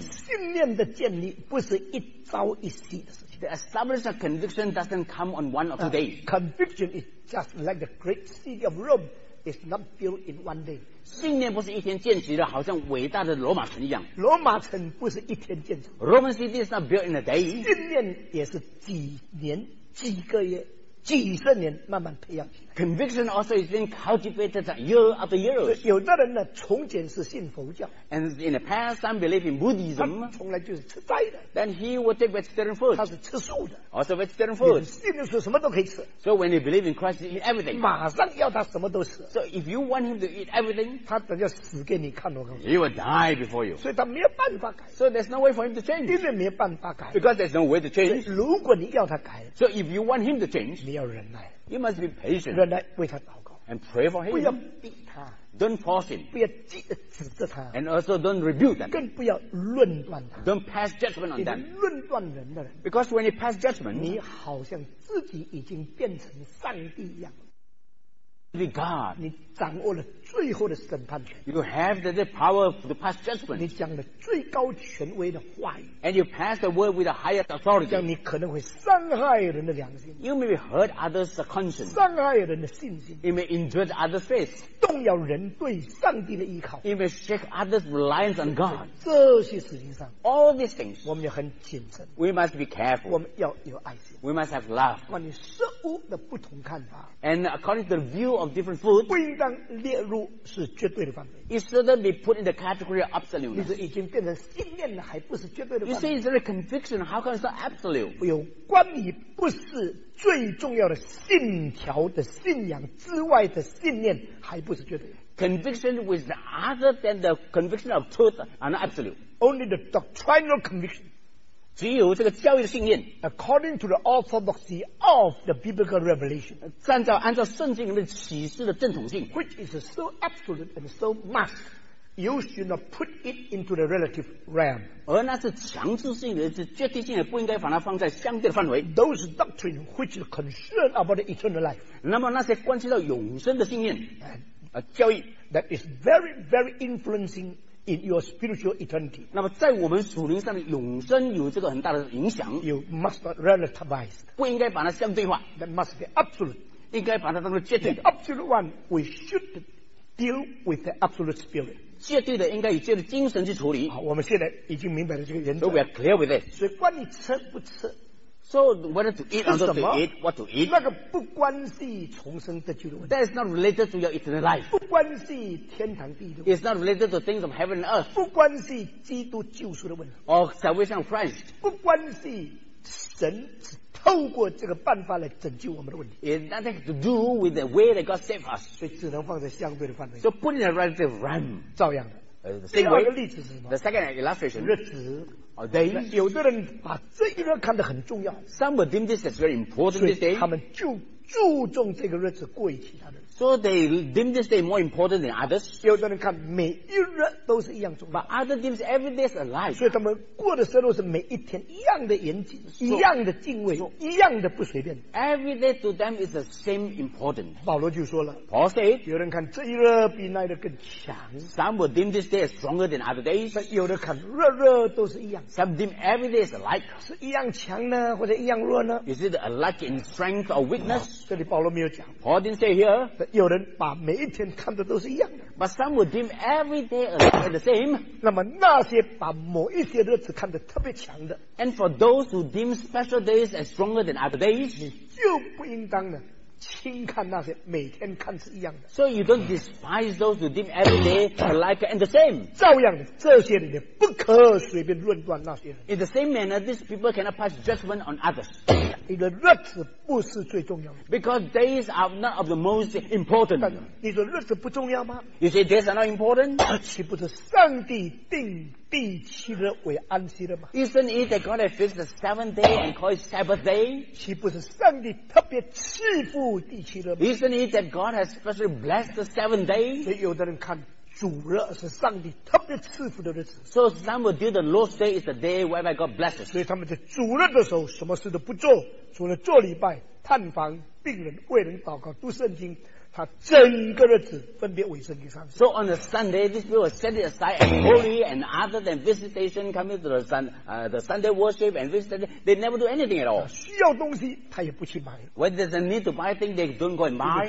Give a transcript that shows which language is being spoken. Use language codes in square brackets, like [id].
[zh] 信念的建立不是一朝一夕的事情。 [en] The establishment of conviction doesn't come on one or two days. Conviction is just like the great city of Rome. It's not built in one day. [zh] 信念不是一天建起的，好像伟大的罗马城一样。罗马城不是一天建成。 [en] Roman city is not built in a day. [zh] 信念也是几年、几个月、几十年慢慢培养起来。 [en] Conviction also is being cultivated year after year. [zh] 有的人呢，从前是信佛教。 [en] And in the past, some believe in Buddhism. [zh] 他从来就是吃斋的。 [en] Then he would take vegetarian food. [zh] 他是吃素的。 [en] Also vegetarian food. [zh] 信念是什么都可以吃。 [en] So when you believe in Christ, you eat everything. [zh] 马上要他什么都吃。 [en] So if you want him to eat everything, [zh] 他等下死给你看，我告诉你。 [en] He will die before you. [zh] 所以他没有办法改。 [en] So there's no way for him to change. [zh] 因为没办法改。 [en] Because there's no way to change. [zh] 如果你要他改。 [en] So if you want him to change, [zh] 你要忍耐。 [en] You must be patient. [zh] 忍耐为他祷告。 [en] And pray for him. [zh] 不要逼他。 [en] Don't force him. [zh] 不要指责他。 [en] And also don't rebuke them. [zh] 更不要论断他。 [en] Don't pass judgment on them. [zh] 论断人的人。 [en] Because when you pass judgment, [zh] 你好像自己已经变成上帝一样。 [en] Be God. [zh] 你掌握了最后的审判权。 [en] You have the power to pass judgment. [zh] 你讲了最高权威的话语。 [en] And you pass the word with the highest authority. [zh] 讲你可能会伤害人的良心。 [en] You may hurt others' conscience. [zh] 伤害人的信心。 [en] You may injure others' faith. [zh] 动摇人对上帝的依靠。 [en] You may shake others' reliance on God. [zh] 这些事情上 [en] ，all these things， [zh] 我们要很谨慎。 [en] We must be careful. [zh] 我们要有爱心。 [en] We must have love. [zh] 关于食物的不同看法。 [en] And according to the view of different food， [zh] 不应当列入是绝对的范围。 [en] It shouldn't be put in the category of absolute. [zh] 你是已经变成信念了，还不是绝对的范围。 [en] You say it's a conviction. How can it be absolute? [zh] 有关于不是最重要的信条的信仰之外的信念，还不是绝对的。 [en] Conviction with other than the conviction of truth are not absolute. Only the doctrinal conviction. [zh] 只有这个教义的信念。 [en] According to the orthodoxy of the biblical revelation. [zh] 按照圣经里面启示的正统性。 [en] Which is so absolute and so must. You should not put it into the relative realm. [zh] 而那是强制性的，是绝对性的，不应该把它放在相对的范围。 [en] Those doctrines which are concerned about the eternal life. [zh] 那么那些关系到永生的信念，教义 [en] that is very, very influencing in your spiritual eternity. [zh] 那么在我们属灵上的永生有这个很大的影响。 [en] You must not relativize. [zh] 不应该把它相对化。 [en] That must be absolute. [zh] 应该把它当作绝对的。 [en] The absolute one, we should deal with the absolute spirit. [zh] 绝对的应该以绝对的精神去处理。好，我们现在已经明白了这个原则。 [en] So we are clear with it. [zh] 所以关你吃不吃。 [en] So whether to eat or not to eat, what to eat. [zh] 那个不关系重生得救的问题。 [en] That is not related to your eternal life. [zh] 不关系天堂地的问题。 [en] It's not related to things of heaven and earth. [zh] 不关系基督救赎的问题。 [en] Or salvation of Christ. [zh] 不关系神透过这个办法来拯救我们的问题。 [en] It's nothing to do with the way that God saved us. [zh] 所以只能放在相对的范围。 [en] So put in a relative realm. [zh] 照样的。 [en] The same way, [zh] 第二个例子是什么？ [en] The second illustration. [zh] 日子。 [en] Oh, they, [zh] 有的人把这一日看得很重要。 [en] Some would deem this as very important this day. [zh] 他们就注重这个日子过一其他的日子。 [en] So they deem this day more important than others. [zh] 有的人看每一日都是一样重要。 [en] But others deem every day is alike. [zh] 所以他们过的时候是每一天一样的严谨，一样的敬畏，一样的不随便。 [en] Every day to them is the same important. [zh] 保罗就说了。 [en] Paul said, [zh] 有人看这一日比那一日更强。 [en] Some will deem this day stronger than other days. [zh] 有的看日日都是一样。 [en] Some deem every day is alike. [zh] 是一样强呢，或者一样弱呢？ [en] Is it alike in strength or weakness? [zh] 这里保罗没有讲。 [en] Paul didn't say here. [zh] 有人把每一天看的都是一样的。 [en] But some would deem every day alike the same. [zh] 那么那些把某一些日子看得特别强的。 [en] And for those who deem special days as stronger than other days. [zh] 你就不应当呢轻看那些每天看是一样的。 [en] So you don't despise those who deem every day alike and the same. [zh] 照样的这些人也不可随便论断那些人。 [en] In the same manner, these people cannot pass judgment on others. [zh] 你的日子不是最重要的。 [en] Because days are not of the most important. [zh] 你说日子不重要吗？ [en] You say days are not important? [zh] 岂不是上帝定第七日为安息的吗？ [en] Isn't it that God has fixed the seventh day and called it Sabbath day? [zh] 岂不是上帝特别赐福第七日吗？ [en] Isn't it that God has specially blessed the seventh day? [zh] 所以有的人看主日是上帝特别赐福的日子。 [en] So some will do the Lord's day is the day whereby God blesses. [zh] 所以他们在主日的时候什么事都不做，除了做礼拜、探访病人、为人祷告、读圣经，他整个日子分别为圣经上帝。 [en] So on the Sunday, these people set it aside as holy, and other than visitation coming to the Sunday worship and visitation, they never do anything at all. [zh] 需要东西他也不去买。 [en] When there's a need to buy things, they don't go and buy.